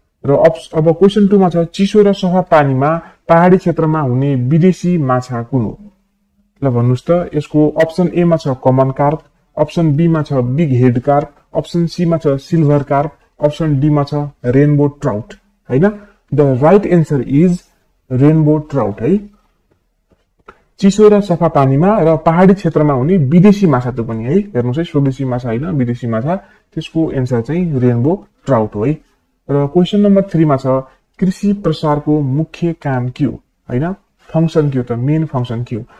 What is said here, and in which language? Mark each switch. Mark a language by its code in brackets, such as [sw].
[ne] र अब क्वेसन टूमा छ, चिसो र सफा पानीमा पहाडी क्षेत्रमा हुने विदेशी माछा कुन हो. ल भन्नुहोस् त, यसको अप्सन एमा छ कमन कार्प, अप्सन बीमा छ बिग हेड कार्प, अप्सन सीमा छ सिल्भर कार्प, अप्सन डीमा छ रेनबो ट्राउट, होइन. [en] The right answer is rainbow trout है. [ne] चिसो र सफा पानीमा र पहाडी क्षेत्रमा हुने विदेशी माछा त्यो पनि है, हेर्नुहोस् है, स्वदेशी माछा होइन विदेशी माछा. त्यसको एन्सर चाहिँ रेनबो ट्राउट हो है. र क्वेसन नम्बर 3 छ, कृषि प्रसारको मुख्य काम के हो, होइन फङ्सन के हो त, मेन फङ्सन के हो.